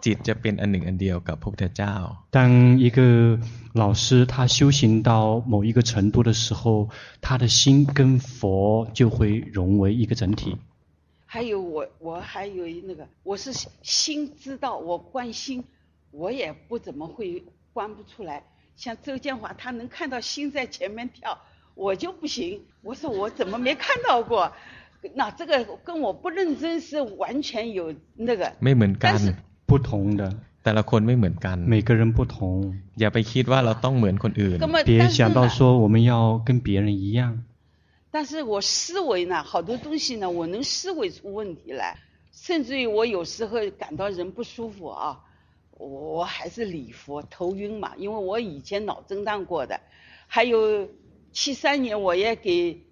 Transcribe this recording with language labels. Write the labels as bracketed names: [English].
[Thai] จิต จะเป็น อัน หนึ่ง อัน เดียว กับ พระพุทธเจ้า [Chinese] 当一个老师他修行到某一个程度的时候他的心跟佛就会融为一个整体。还有我还有那个我是心知道我观心我也不怎么会观不出来，像周建华他能看到心在前面跳我就不行，我说我怎么没看到过，那这个跟我不认真是完全有那个没门干不同的。 [Thai] แต่ละคนไม่เหมือนกัน [Chinese] 每个人不同 [Thai] อย่าไปคิดว่าเราต้องเหมือนคนอื่น [Chinese] 别想到说我们要跟别人一样但是我思维呢好多东西呢我能思维出问题来，甚至于我有时候感到人不舒服啊，我还是礼佛头晕嘛，因为我以前脑震荡过的，还有73年我也给